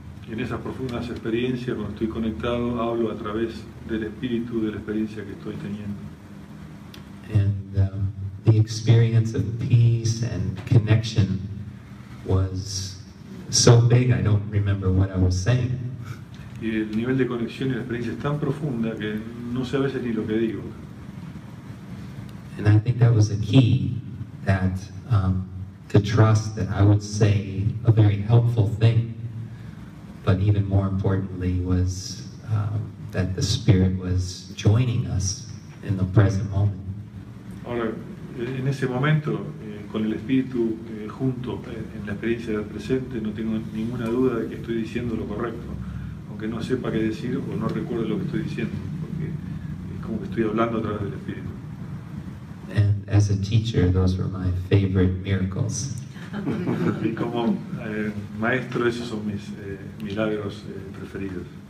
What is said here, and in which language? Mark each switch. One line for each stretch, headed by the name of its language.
Spanish: En esas profundas experiencias, cuando estoy conectado, hablo a través del espíritu, de la experiencia que estoy teniendo.
English: And the experience of peace and connection was so big, I don't remember what I was saying.
Spanish: Y el nivel de conexión y la experiencia es tan profunda que no sé a veces ni lo que digo.
English: And I think that was a key that to trust that I would say a very helpful thing, but even more importantly was that the spirit was joining us in the present moment.
Spanish: Ahora, en ese momento, con el espíritu junto en la experiencia del presente, no tengo ninguna duda de que estoy diciendo lo correcto. Que no sepa qué decir o no recuerde lo que estoy diciendo, porque es como que estoy hablando a través del Espíritu.
English: And as a teacher, those were my favorite miracles.
Spanish: Y como maestro, esos son mis milagros preferidos.